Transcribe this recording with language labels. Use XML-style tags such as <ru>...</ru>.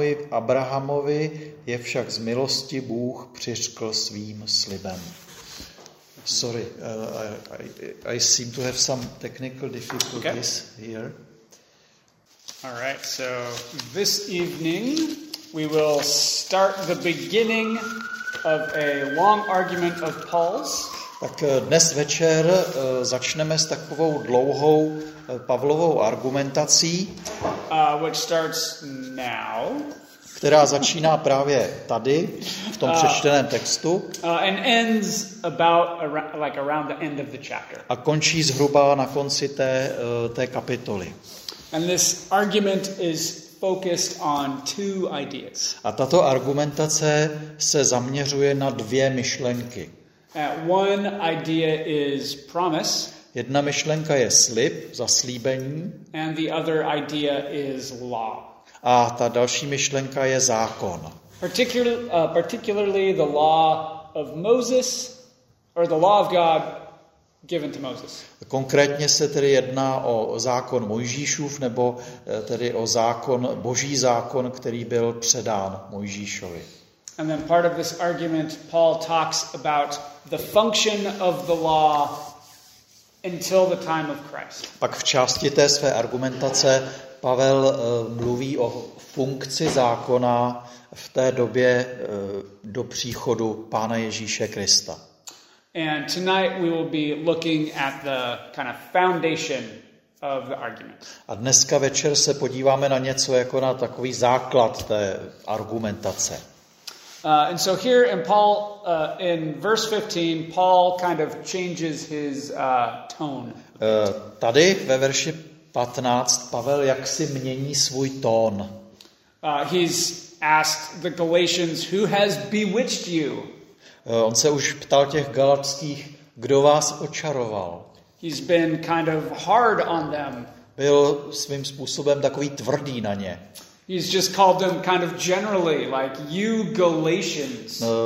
<cs>Abrahamovi je však z milosti Bůh přiřkl svým slibem.</cs> <en>Sorry, I seem to have some technical difficulties here. All right, so this evening we will start the beginning of a long argument of Paul's.</en> <cs>Tak dnes večer začneme s takovou dlouhou Pavlovou argumentací,</cs> <en>which starts now,</en> <cs>která začíná právě tady, v tom přečteném textu.</cs> <en>And ends about around the end of the chapter.</en> <cs>A končí zhruba na konci té kapitoly.</cs> <en>And this argument is focused on two ideas.</en> <cs>A tato argumentace se zaměřuje na dvě myšlenky.</cs> <en>One idea is promise.</en> <cs>Jedna myšlenka je slib, zaslíbení.</cs> <en>And the other idea is law.</en> <cs>A ta další myšlenka je zákon.</cs> <en>Particularly the law of Moses, or the law of God given to Moses.</en> <cs>Konkrétně se tedy jedná o zákon Mojžíšův, nebo tedy o zákon, boží zákon, který byl předán Mojžíšovi.</cs> <en>And then part of this argument, Paul talks about the function of the law until the time of Christ.</en> <cs>Pak v části té své argumentace Pavel mluví o funkci zákona v té době do příchodu Pána Ježíše Krista.</cs> <en>And tonight we will be looking at the kind of foundation of the argument.</en> <cs>A dneska večer se podíváme na něco jako na takový základ té argumentace.</cs> <en>And so here in Paul in verse 15 Paul kind of changes his tone.</en> <cs>Tady ve verši 15 Pavel jaksi mění svůj tón.</cs> <en>He's asked the Galatians, who has bewitched you?</en> <cs>On se už ptal těch galackých, kdo vás očaroval.</cs> <en>He's been kind of hard on them.</en> <cs>Byl svým způsobem takový tvrdý na ně.</cs> <en>He's just called them kind of generally, like you Galatians.</en>